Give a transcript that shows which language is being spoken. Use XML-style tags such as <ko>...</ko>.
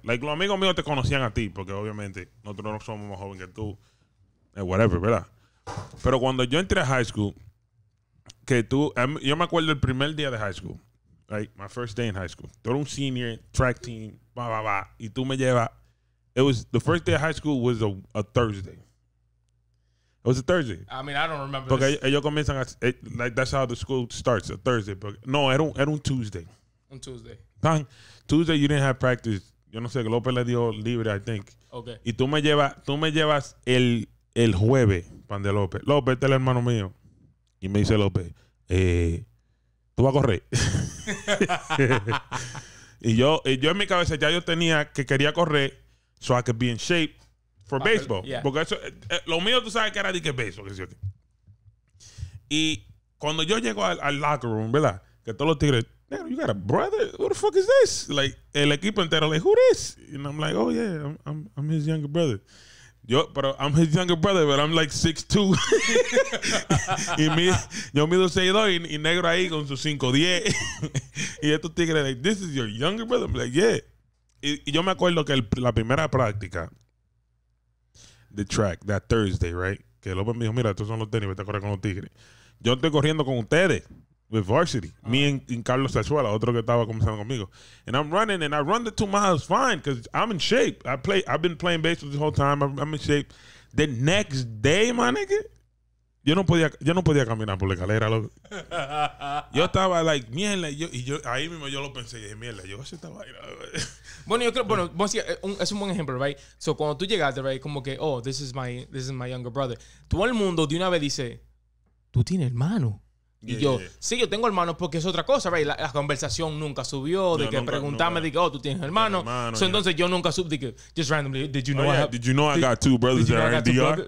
<es>Like, los amigos míos te conocían a ti, porque obviamente nosotros no somos más jóvenes que tú. Whatever, ¿verdad? Pero cuando yo entré a high school, yo me acuerdo el primer día de high school.</es> <en>Like, my first day in high school.</en> <es>Tú eres un senior, track team, y tú me llevas.</es> <en>The first day of high school was a Thursday. It was a Thursday. I mean, I don't remember.</en> <es>Porque ellos comienzan a...</es> <en>Like, that's how the school starts, a Thursday.</en> <es>No, era un Tuesday. Un Tuesday.</es> <en>Bang. Tuesday, you didn't have practice.</en> <es>Yo no sé, López le dio libre,</es> <en>I think. Okay.</en> <es>Y tú me llevas el jueves, pan de López. López, este es el hermano mío. Y me dice López, tú vas a correr. y yo en mi cabeza ya yo tenía que quería correr</es> <en>so I could be in shape for baseball.</en> <es>Porque eso lo mío, tú sabes que era de que baseball, que sí, okay. Y cuando yo llego al locker room, ¿verdad? Que todos los tigres,</es> <en>"Negro, you got a brother? What the fuck is this?" Like,</en> <es>el equipo entero,</es> <en>like, "Who this?" And I'm like, "Oh yeah, I'm his younger brother." I'm his younger brother, but I'm like 6'2".</en> <es>yo mido 6'2", y negro ahí con su 5'10". Y estos tigres,</es> <en>like, "This is your younger brother?" I'm like, "Yeah."</en> <es>Y yo me acuerdo que la primera práctica,</es> <en>the track, that Thursday, right?</en> <es>Que López me dijo, "Mira, estos son los tenis, vete a correr con los tigres." Yo estoy corriendo con ustedes, with varsity. Uh-huh. Me and Carlos Sarzuela, otro que estaba comenzando conmigo.</es> <en>And I'm running, and I run the 2 miles fine because I'm in shape. I've been playing baseball the whole time. I'm in shape. The next day, my nigga,</en> <es>yo no podía caminar por la escalera. Yo estaba like, mierda. Y yo, ahí mismo yo lo pensé. Y dije, mierda, yo así estaba. Bueno, yo creo, es un buen ejemplo, right? So cuando tú llegaste, right, como que,</es> <en>"Oh, this is my younger brother."</en> <es>Todo el mundo de una vez dice, "Tú tienes hermano." Sí, yo tengo hermanos, porque es otra cosa, ¿verdad? La conversación nunca subió, de que preguntarme, "Oh, tú tienes hermanos." Entonces yo nunca subí,</es> <en>just randomly, "Did you know I got two brothers that are in DR?"</en>